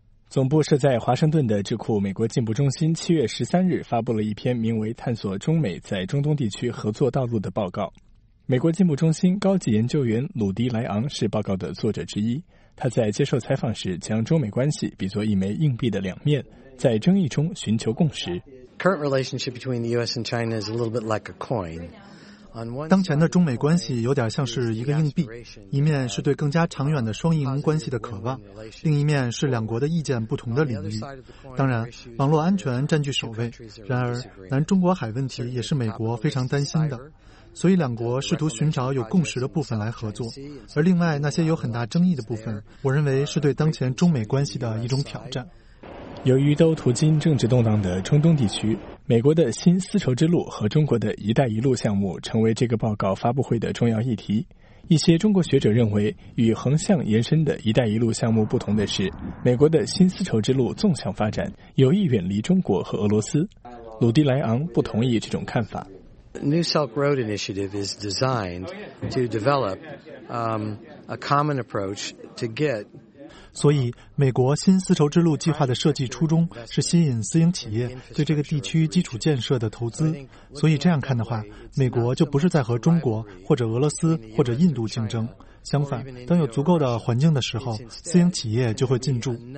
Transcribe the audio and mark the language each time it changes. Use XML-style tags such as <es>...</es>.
<zh>总部设在华盛顿的智库美国进步中心7月13日发布了一篇名为《探索中美在中东地区合作道路》的报告。美国进步中心高级研究员鲁迪·莱昂是报告的作者之一，他在接受采访时将中美关系比作一枚硬币的两面，在争议中寻求共识。</zh> <en>Current relationship between the US and China is a little bit like a coin.</en> <zh>当前的中美关系有点像是一个硬币，一面是对更加长远的双赢关系的渴望，另一面是两国的意见不同的领域。当然，网络安全占据首位，然而南中国海问题也是美国非常担心的，所以两国试图寻找有共识的部分来合作，而另外那些有很大争议的部分，我认为是对当前中美关系的一种挑战。由于都途经政治动荡的中东地区，美国的新丝绸之路和中国的一带一路项目成为这个报告发布会的重要议题。一些中国学者认为，与横向延伸的一带一路项目不同的是，美国的新丝绸之路纵向发展有意远离中国和俄罗斯。鲁迪莱昂不同意这种看法。</zh> <en>New Silk Road Initiative is designed to develop a common approach to get...</en> <zh>所以美国新丝绸之路计划的设计初衷是吸引私营企业对这个地区基础建设的投资，所以这样看的话，美国就不是在和中国或者俄罗斯或者印度竞争，相反，当有足够的环境的时候，私营企业就会进驻。</zh>